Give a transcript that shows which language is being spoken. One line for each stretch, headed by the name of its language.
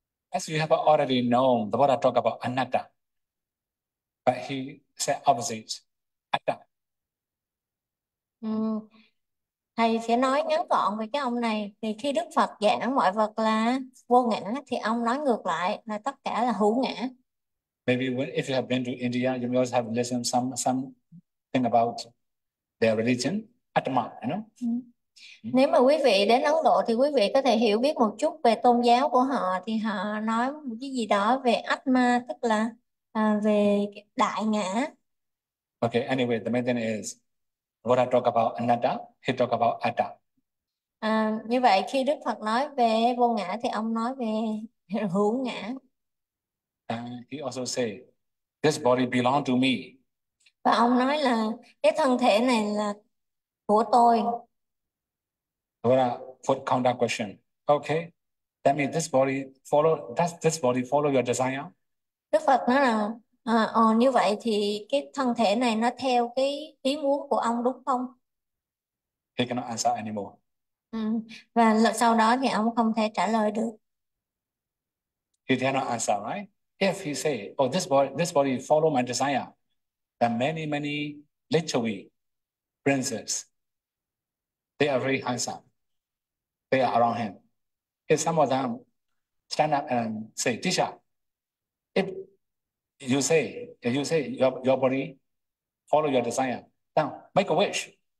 English: As you have already known, the Buddha talk about anatta, but he said opposite, atta.
Vietnamese: Thầy sẽ nói ngắn gọn về cái ông này, thì khi Đức Phật giảng mọi vật là vô ngã thì ông nói ngược lại là tất cả là hữu ngã.
English: Maybe when, if you have been to India, you may also have listened something about their religion, atma, you know?
Vietnamese: Nếu mà quý vị đến Ấn Độ thì quý vị có thể hiểu biết một chút về tôn giáo của họ, thì họ nói một cái gì đó về Atma, tức là về đại ngã.
English: Okay, anyway, the main thing is what I talk about anatta, he talk about atta.
Vietnamese: À, như vậy khi Đức Phật nói về vô ngã thì ông nói về hữu ngã.
English: And he also say, this body belong to me.
Vietnamese: Và ông nói là cái thân thể này là của tôi.
English: What a foot counter question. Okay, that means this body follow, does this body follow your desire?
Vietnamese: Đức Phật nói là như vậy thì cái thân thể này nó theo cái ý muốn của ông đúng không?
English: He cannot answer anymore.
Vietnamese: Và lần sau đó thì ông không thể trả lời được.
English: He cannot answer, right? If he say, oh, this body follow my desire, then many, many literary princes, they are very handsome. They are around him. If some of them stand up and say, teacher, if you say your body follow your desire, then make a wish.